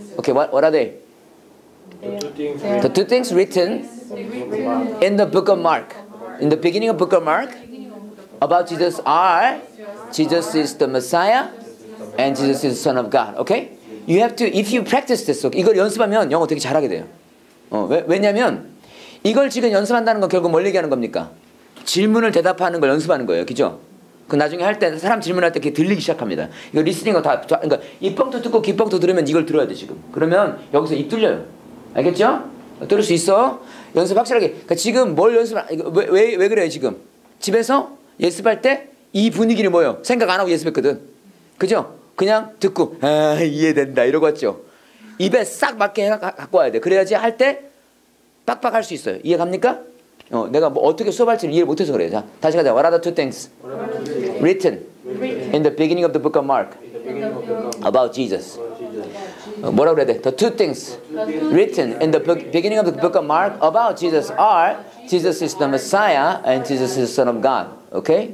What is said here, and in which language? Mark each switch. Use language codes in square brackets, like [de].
[en] Okay, what are they? The two things written in the book of Mark, in the beginning of book of Mark, about Jesus are Jesus is the Messiah and Jesus is the Son of God. Okay? You have to, if you practice this, okay? [ko] 이걸 연습하면 영어 되게 잘하게 돼요. 왜냐면 이걸 지금 연습한다는 건 결국 뭘 얘기하는 겁니까? 질문을 대답하는 걸 연습하는 거예요. 그죠? 그 나중에 할 때 사람 질문할 때 이렇게 들리기 시작합니다. 이거 리스닝을 다, 그러니까 입봉도 듣고 귓봉도 들으면 이걸 들어야 돼, 지금. 그러면 여기서 입 뚫려요. 알겠죠? 들을 수 있어. 연습 확실하게. 그러니까 지금 뭘 연습을, 왜 그래요, 지금? 집에서 예습할 때 이 분위기를 뭐예요? 생각 안 하고 예습했거든. 그죠? 그냥 듣고, 아, 이해된다. 이러고 왔죠. 입에 싹 맞게 갖고 와야 돼. 그래야지 할 때 빡빡 할 수 있어요. 이해 갑니까? 내가 뭐 어떻게 수업할지 이해 못해서 그래요. 자, 다시 가자. [en] What are the two things written in the beginning of the book of Mark about Jesus? [ko] 뭐라고 그래야 돼? [en] The two things written in the beginning of the book of Mark about Jesus are Jesus is the Messiah and Jesus is the Son of God. Okay?